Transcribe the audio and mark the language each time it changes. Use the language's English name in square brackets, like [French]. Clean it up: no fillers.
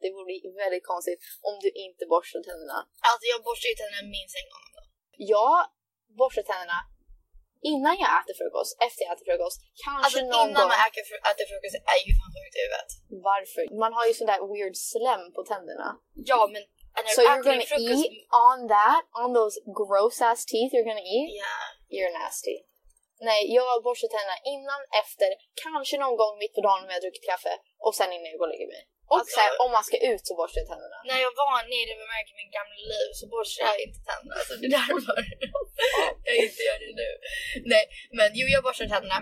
[Swedish] Det vore väldigt konstigt om du inte borstar tänderna. Alltså jag borstar ju tänderna minst en gång då. Jag borstar tänderna innan jag äter frukost, efter jag äter frukost. Kanske alltså någon innan gång man äter frukost är ju fan sjukt i huvudet. Varför? Man har ju sån där weird slem på tänderna. Ja, men [English] so you're gonna eat on that, on those gross ass teeth you're gonna eat? Yeah. You're nasty. [Swedish] Nej, jag borstar tänderna innan, efter, kanske någon gång mitt på dagen när jag druckit kaffe. Och sen innan jag går och lägger mig. Och alltså, sen om man ska ut så borstar jag tänderna. När jag var nere med märken i min gamla liv så borstar jag inte tänderna. Alltså det där var jag inte gör det nu. Nej, men jo, jag borstar tänderna.